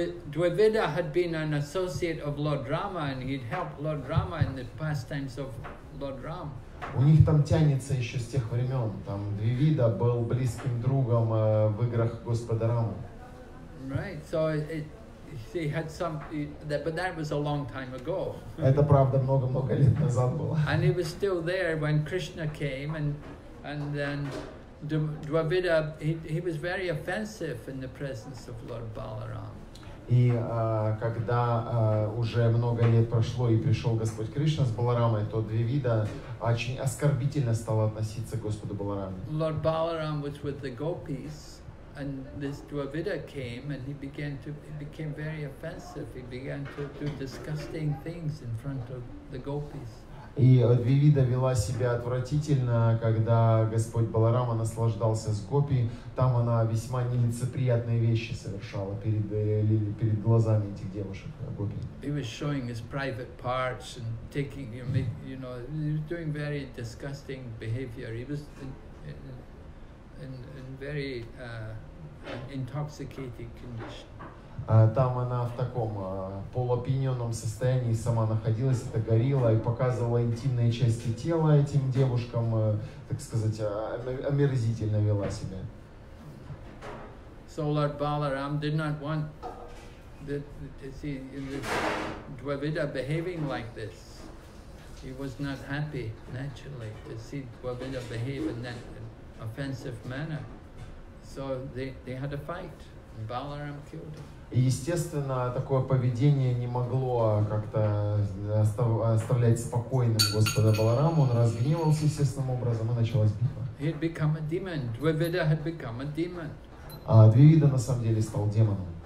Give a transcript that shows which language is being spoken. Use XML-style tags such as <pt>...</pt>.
<en>Dvivida had been an associate of Lord Rama and he'd helped Lord Rama in the pastimes of Lord Rama.</en> <ru>У них там тянется еще с тех времен. Там Двивида был близким другом в играх Господа Рамы.</ru> <en>Right, so he had some, but that was a long time ago.</en> <ru>Это правда много-много лет назад было.</ru> <en>And he was still there when Krishna came and then Dvivida, he was very offensive in the presence of Lord Balaram.</en> <ru>И когда уже много лет прошло и пришел Господь Кришна с Баларамой, то Двивида очень оскорбительно стал относиться к Господу Балараме.</ru> <en>Lord Balaram was with the gopis, and this Dvivida came, and he became very offensive. He began to do disgusting things in front of the gopis.</en> <ru>И Двивида вела себя отвратительно, когда Господь Баларама наслаждался с гопи. Там она весьма нелицеприятные вещи совершала перед глазами этих девушек гопи.</ru> <en>He was showing his private parts and taking, you know, he was doing very disgusting behavior. He was in very intoxicated condition.</en> <ru>Там она в таком полуопьяненном состоянии сама находилась, это горилла, и показывала интимные части тела этим девушкам, так сказать, омерзительно вела себя.</ru> <en>So Lord Balaram did not want to see the Dvivida behaving like this. He was not happy, naturally, to see Dvivida behave in that offensive manner. So they had a fight, and Balaram killed him.</en> <ru>Естественно, такое поведение не могло как-то оставлять спокойным Господа Балараму. Он разгневался естественным образом, и началась битва.</ru> <en>He'd become a demon. Dvivida had become a demon.</en> <ru>А Двивида на самом деле стал демоном.</ru>